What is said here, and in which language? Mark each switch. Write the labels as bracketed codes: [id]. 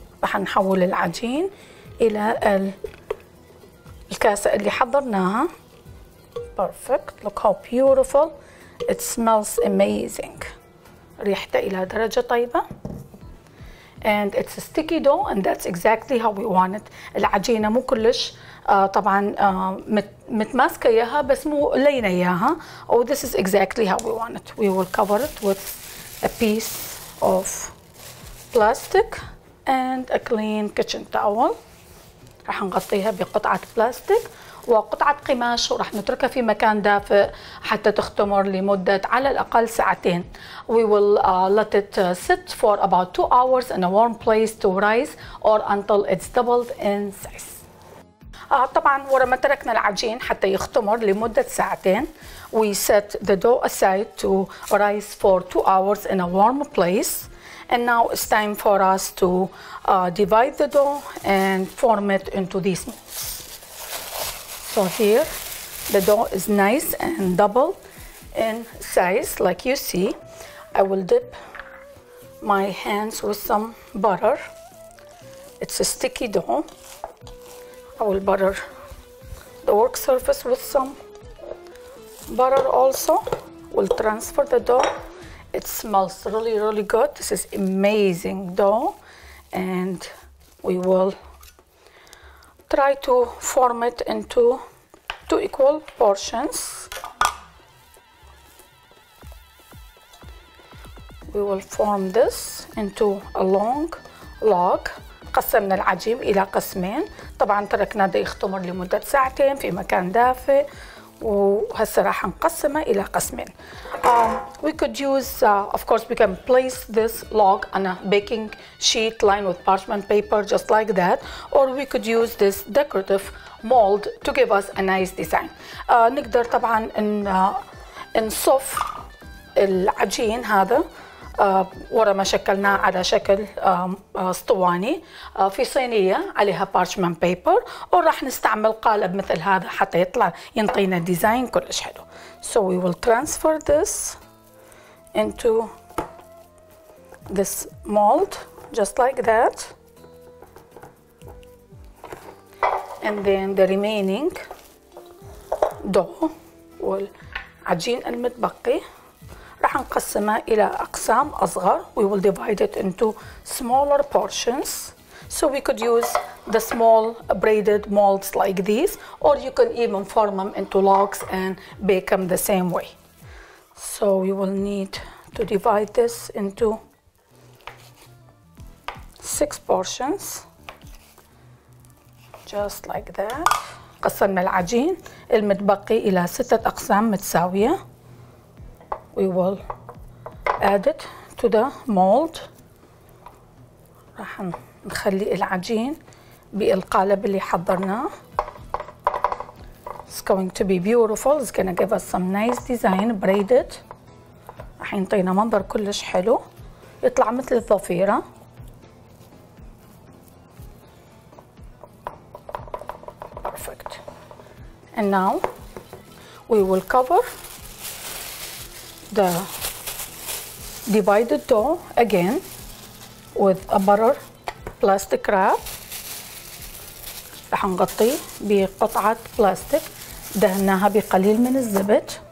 [ar] راح نحول العجين إلى الكاسة اللي حضرناها. [en] Perfect. Look how beautiful. It smells amazing. [ar] ريحته إلى درجة طيبة. [en] And it's a sticky dough, and that's exactly how we want it. [ar] العجينة مو كلش طبعا متماسكة إياها، بس مو لينة إياها. [en] Oh, this is exactly how we want it. We will cover it with a piece of plastic and a clean kitchen towel. [ar] راح نغطيها بقطعة بلاستيك وقطعة قماش، وراح نتركها في مكان دافئ حتى تختمر لمدة على الأقل ساعتين. [en] We will let it sit for about 2 hours in a warm place to rise or until it's doubled in size. [ar] طبعا ورا ما تركنا العجين حتى يختمر لمدة ساعتين. [en] We set the dough aside to rise for 2 hours in a warm place. And now it's time for us to divide the dough and form it into these molds. So here, the dough is nice and double in size, like you see. I will dip my hands with some butter. It's a sticky dough. I will butter the work surface with some butter also. We'll transfer the dough It smells really, really good. This is amazing dough. And we will try to form it into two equal portions. We will form this into a long log. [ar] قسمنا العجين إلى قسمين. طبعاً تركنا ده يختمر لمدة ساعتين في مكان دافئ. وهسه راح نقسمه إلى قسمين. [en] We could use, of course, we can place this log on a baking sheet lined with parchment paper, just like that. Or we could use this decorative mold to give us a nice design. [ar] نقدر طبعاً نصف العجين هذا. ورا ما شكلناه على شكل اسطواني في صينية عليها parchment paper وراح نستعمل قالب مثل هذا حتى يطلع ينطينا ديزاين كلش حلو. [en] So we will transfer this into this mold just like that. And then the remaining dough [ar] والعجين المتبقي راح نقسمها إلى أقسام أصغر. [en] We will divide it into smaller portions. So we could use the small braided molds like these, or you can even form them into logs and bake them the same way. So we will need to divide this into 6 portions, just like that. [ar] قسمنا العجين المتبقي إلى 6 أقسام متساوية. [en] We will add it to the mold. [ar] راح نخلي العجين بالقالب اللي حضرناه. [en] It's going to be beautiful. It's gonna give us some nice design braided. [ar] راح ينطينا منظر كلش حلو. يطلع مثل الضفيرة. [en] Perfect. And now we will cover the divided dough again with a butter plastic wrap. [ar] راح نغطي بقطعة بلاستيك دهناها بقليل من الزبد.